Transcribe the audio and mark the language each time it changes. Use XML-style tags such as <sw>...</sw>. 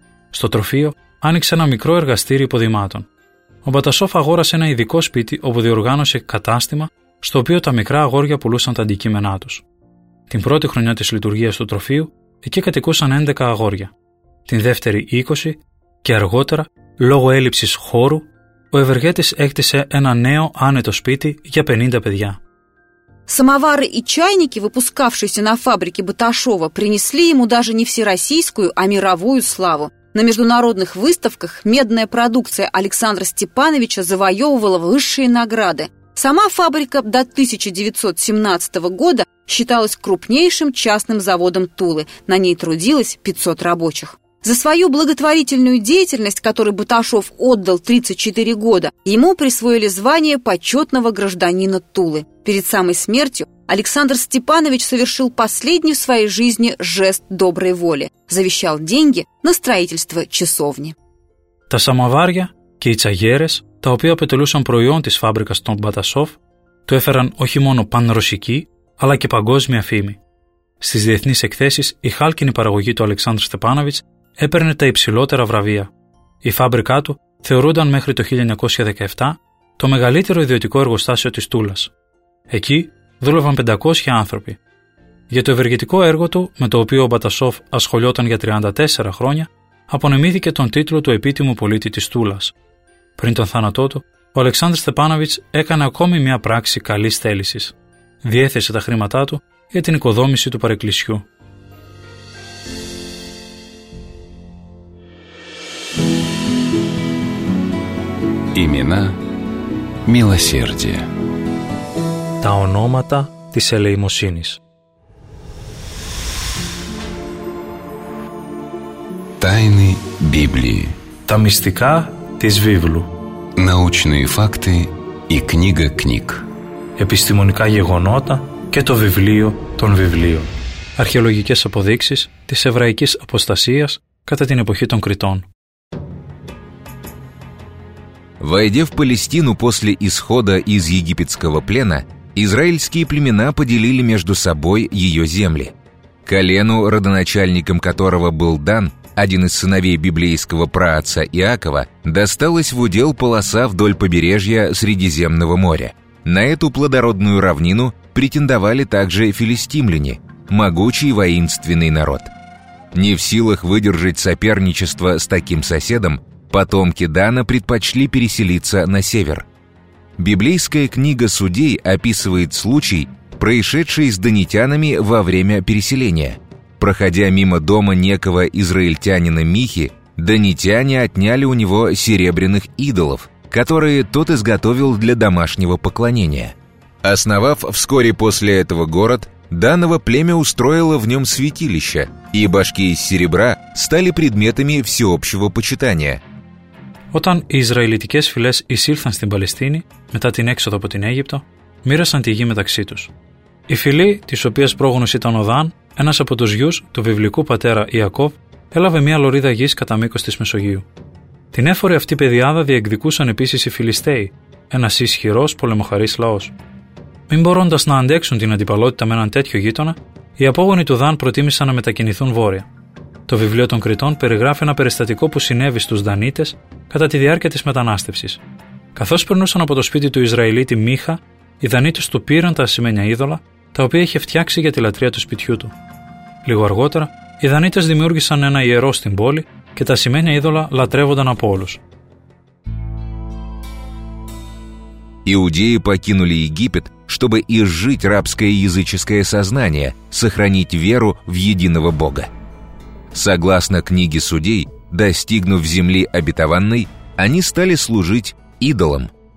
<el>Στο τροφείο άνοιξε ένα μικρό εργαστήριο υποδημάτων. Ο Μπατασόφ αγόρασε ένα ειδικό σπίτι όπου διοργάνωσε κατάστημα στο οποίο τα μικρά αγόρια πουλούσαν τα αντικείμενά τους. Την πρώτη χρονιά της λειτουργίας του τροφείου εκεί κατοικούσαν 11 αγόρια. Την δεύτερη 20 και αργότερα, λόγω έλλειψης χώρου, ο ευεργέτης έκτισε ένα νέο άνετο σπίτι για 50 παιδιά.</el> <ru>Самовары и чайники, выпускавшиеся на фабрике Баташова, принесли ему даже не всероссийскую, а мировую славу. На международных выставках медная продукция Александра Степановича завоевывала высшие награды. Сама фабрика до 1917 года считалась крупнейшим частным заводом Тулы. На ней трудилось 500 рабочих. За свою благотворительную деятельность, которой Баташов отдал 34 года, ему присвоили звание почетного гражданина Тулы. Перед самой смертью Александр Степанович совершил последний в своей жизни жест доброй воли. Завещал деньги на строительство часовни.</ru> <el>Та самоварья ки и цагерес, та опия апетолюсан проион тис фабрикас тон Баташов, то эферан охи моно панроссики, алла ки пагозмия фими. Стис διεθνείς εκθέσεις, η χάλκινη παραγωγή του Александра Степановича έπαιρνε τα υψηλότερα βραβεία. Η φάμπρικά του θεωρούνταν μέχρι το 1917 το μεγαλύτερο ιδιωτικό εργοστάσιο της Τούλας. Εκεί δούλευαν 500 άνθρωποι. Για το ευεργετικό έργο του, με το οποίο ο Μπατασόφ ασχολιόταν για 34 χρόνια, απονεμήθηκε τον τίτλο του επίτιμου πολίτη της Τούλας. Πριν τον θάνατό του, ο Αλεξάνδρος Στεπάνοβιτς έκανε ακόμη μια πράξη καλής θέλησης. Διέθεσε τα χρήματά του για την οικοδόμηση του παρεκκλησιού.</el> <ru>Имена милосердия.</ru> <el>Τα ονόματα της ελεημοσύνης.</el> <ru>Тайны Библии.</ru> <el>Τα μυστικά της Βίβλου.</el> <ru>Научные факты и книга книг.</ru> <el>Επιστημονικά γεγονότα και το βιβλίο των βιβλίων. Αρχαιολογικές αποδείξεις της εβραϊκής αποστασίας κατά την εποχή των Κριτών.</el> <ru>Войдя в Палестину после исхода из египетского плена, израильские племена поделили между собой ее земли. Колену, родоначальником которого был Дан, один из сыновей библейского праотца Иакова, досталась в удел полоса вдоль побережья Средиземного моря. На эту плодородную равнину претендовали также филистимляне, могучий воинственный народ. Не в силах выдержать соперничество с таким соседом, потомки Дана предпочли переселиться на север. Библейская книга Судей описывает случай, происшедший с данитянами во время переселения. Проходя мимо дома некого израильтянина Михи, данитяне отняли у него серебряных идолов, которые тот изготовил для домашнего поклонения. Основав вскоре после этого город, Даново племя устроило в нем святилище, и башки из серебра стали предметами всеобщего почитания.</ru> <el>Όταν οι Ισραηλιτικές φυλές εισήλθαν στην Παλαιστίνη μετά την έξοδο από την Αίγυπτο, μοίρασαν τη γη μεταξύ τους. Η φυλή, της οποίας πρόγονος ήταν ο Δαν, ένας από τους γιους του βιβλικού πατέρα Ιακώβ, έλαβε μια λωρίδα γης κατά μήκος της Μεσογείου. Την έφορη αυτή πεδιάδα διεκδικούσαν επίσης οι Φιλιστέοι, ένας ισχυρός πολεμοχαρής λαός. Μην μπορώντας να αντέξουν την αντιπαλότητα με έναν τέτοιο γείτονα, οι απόγονοι του Δαν προτίμησαν να μετακινηθούν βόρεια. Το βιβλίο των Κριτών περιγράφει ένα περιστατικό που συνέβη στους Δανίτες κατά τη διάρκεια της μετανάστευσης. Καθώς περνούσαν από το σπίτι του Ισραηλίτη Μίχα, οι Δανίτες του πήραν τα ασημένια είδωλα, τα οποία είχε φτιάξει για τη λατρεία του σπιτιού του. Λίγο αργότερα, οι Δανίτες δημιούργησαν ένα ιερό στην πόλη και τα ασημένια είδωλα λατρεύονταν από όλους.</el> <ru>Ιουδαίοι покинули Египет, чтобы изжить рабское языческое сознание, сохранить веру в единого Бога. Согласно книге Судей, достигнув земли обетованной, они стали служить идолам.</ru>